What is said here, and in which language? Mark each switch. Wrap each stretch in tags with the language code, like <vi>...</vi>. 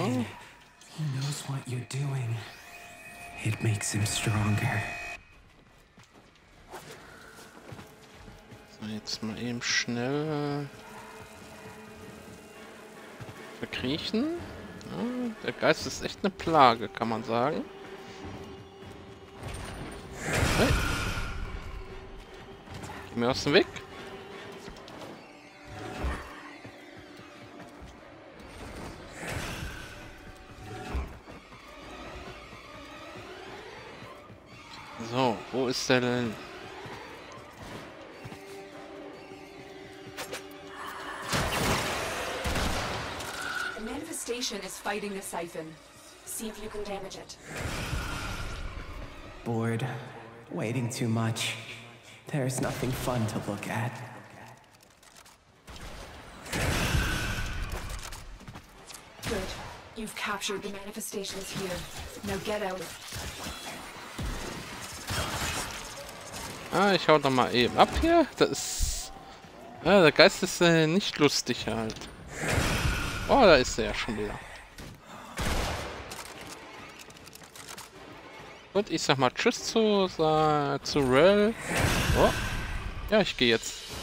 <en>He knows what you're doing. It makes him stronger.</en> <de>So, jetzt mal eben schnell verkriechen. Ja, der Geist ist echt eine Plage, kann man sagen. Geh mir aus dem Weg. So, wo ist der denn?</de> <en>The manifestation is fighting the siphon. See if you can damage it. Bored. Waiting too much. There is nothing fun to look at. Good. You've captured the manifestations here. Now get out.</en> <de>Ah, ich hau doch mal eben ab hier. Das ist. Ah, der Geist ist nicht lustig halt. Oh, da ist er ja schon wieder. Und ich sag mal tschüss zu Rel. Oh. Ja, ich gehe jetzt.</de>